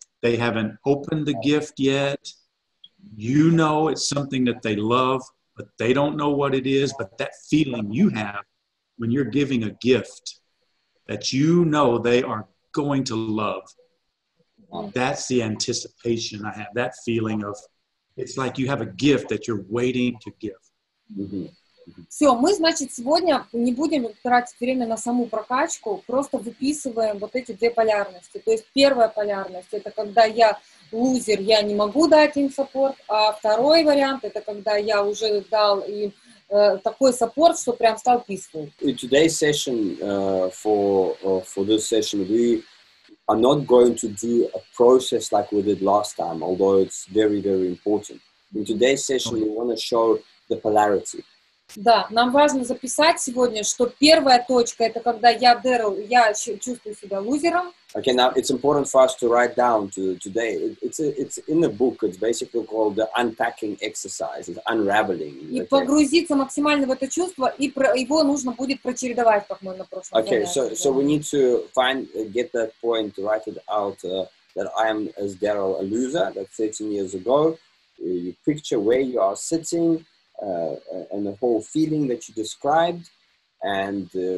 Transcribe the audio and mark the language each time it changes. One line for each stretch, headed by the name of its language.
English: They haven't opened the gift yet. You know it's something that they love, but they don't know what it is. But that feeling you have when you're giving a gift that you know they are going to love, that's the anticipation I have, that feeling of, it's like you have a gift that you're waiting to give.
Russian: Все, мы, значит, сегодня не будем тратить время на саму прокачку, просто выписываем вот эти две полярности. То есть первая полярность — это когда я лузер, я не могу дать им саппорт, а второй вариант — это когда я уже дал им такой саппорт, что прям стал peaceful.
English: In today's session, for this session, we are not going to do a process like we did last time, although it's very, very important. In today's session, we want to show the polarity.
Russian: Да, нам важно записать сегодня, что первая точка — это когда я, Дэрил, я чувствую себя лузером.
English: Okay, now it's important for us to write down today. It's in the book. It's basically called the unpacking exercise, it's unraveling.
Russian: И погрузиться максимально в это чувство, и его нужно будет прочередовать, как мы на прошлом занятии.
English: Okay, so we need to get that point, write it out, that I am, as Daryl, a loser, that 13 years ago, you picture where you are sitting, and the whole feeling that you described, and,